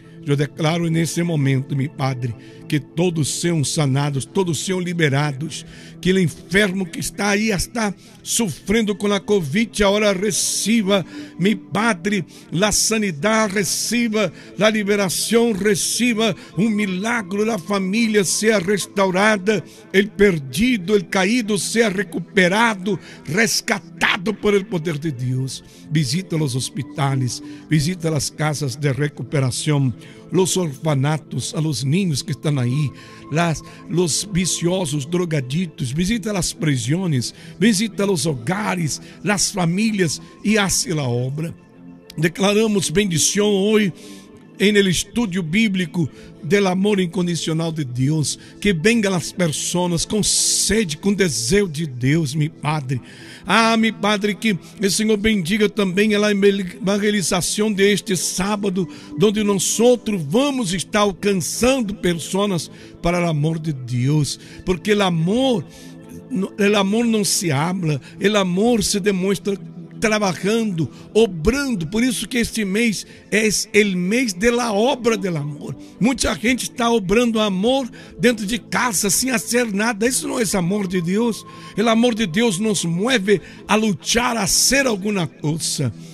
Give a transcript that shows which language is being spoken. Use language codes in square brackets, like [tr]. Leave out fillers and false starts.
[pt] Eu declaro nesse momento, meu Padre, que todos sejam sanados, todos sejam liberados, que o enfermo que está aí, está sofrendo com a Covid, agora receba, meu Padre, a sanidade, receba a liberação, receba um milagre, a família seja restaurada, o perdido, o caído seja recuperado, [es] rescatado por el poder [pt] de Deus. Visita os hospitais, visita as casas de recuperação, [es] los orfanatos, a los niños que están ahí, los viciosos, drogaditos, visita las prisiones, visita los hogares, las familias y hace la obra. Declaramos bendición hoy en el estudio bíblico del amor incondicional de Dios, que venga las personas con sede, con deseo de Dios, mi Padre. Ah, mi Padre, que el Señor bendiga también a la evangelización de este sábado, donde nosotros vamos estar alcanzando personas para el amor de Dios, porque el amor no se habla, el amor se demuestra [pt] trabalhando, obrando. Por isso que este mês é o mês da obra do amor. Muita gente está obrando amor dentro de casa, sem fazer nada. Isso não é amor de Deus. O amor de Deus nos move a lutar, a ser alguma coisa.